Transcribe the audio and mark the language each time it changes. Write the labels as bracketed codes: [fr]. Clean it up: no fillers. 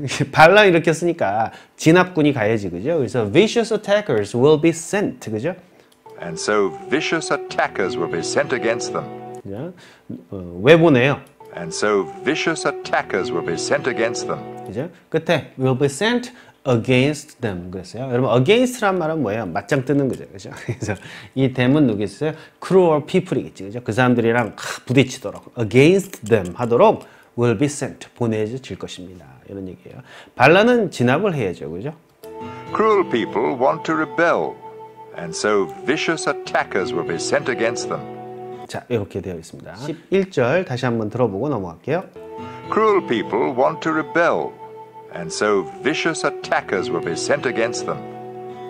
[ko] 반란 일으켰으니까 진압군이 가야지, 그죠? [en] 그래서 vicious attackers will be sent, 그죠? And so vicious attackers will be sent against them. [ko] 예? 왜 보내요? [en] And so vicious attackers will be sent against them. [ko] 이제 끝에 [en] will be sent against them [ko] 그랬어요. 여러분 against란 말은 뭐예요? 맞짱 뜨는 거죠. 그죠? 그래서 이 대문 누구겠어요? Cruel people이겠지. 그죠? 그 사람들이랑 부딪히도록 [en] against them [ko] 하도록 [en] will be sent [ko] 보내질 것입니다. 이런 얘기예요. 반란은 진압을 해야죠. 그죠? [en] Cruel people want to rebel. And so vicious attackers will be sent against them. [ko] 자, 이렇게 되어 있습니다. 11절 다시 한번 들어보고 넘어갈게요. [en] Cruel people want to rebel. And so vicious attackers will be sent against them.